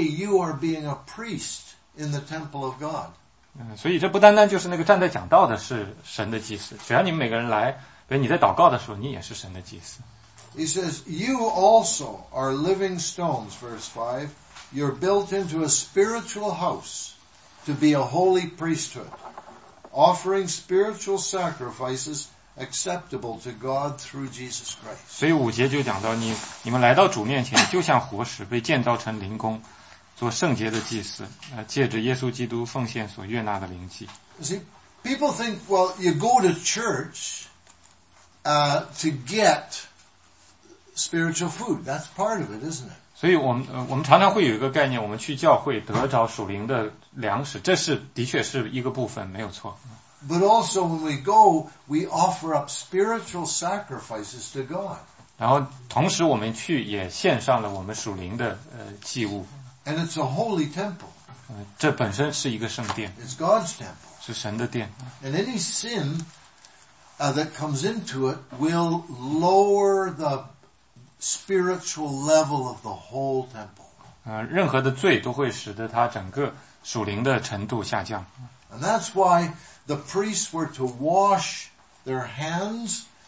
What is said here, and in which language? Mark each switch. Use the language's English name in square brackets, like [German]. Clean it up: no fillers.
[English] You are being a priest in the temple of God. [Chinese] 所以这不单单就是那个站在讲道的是神的祭司。只要你们每个人来，比如你在祷告的时候，你也是神的祭司。 [English] He says, "You also are living stones." Verse 5, "You're built into a spiritual house to be a holy priesthood." Offering spiritual sacrifices acceptable to God through Jesus Christ. [Chinese] 所以五节就讲到你们来到主面前，就像活石被建造成灵宫，做圣洁的祭司，借着耶稣基督奉献所悦纳的灵祭。 [English] See, people think, well, you go to church, to get spiritual food. That's part of it, isn't it? [Chinese] 所以我们常常会有一个概念，我们去教会得着属灵的粮食，这是的确是一个部分，没有错。 [English] But also when we go, we offer up spiritual sacrifices to God. [Chinese] 然后同时我们去也献上了我们属灵的祭物。 [English] And it's a holy temple. [Chinese] 这本身是一个圣殿。 [English] It's God's temple. [Chinese] 是神的殿。 [English] And any sin that comes into it will lower the spiritual level of the whole temple. [Chinese] 任何的罪都会使得它整个属灵的程度下降。 [English] And that's why the priests were to wash their hands.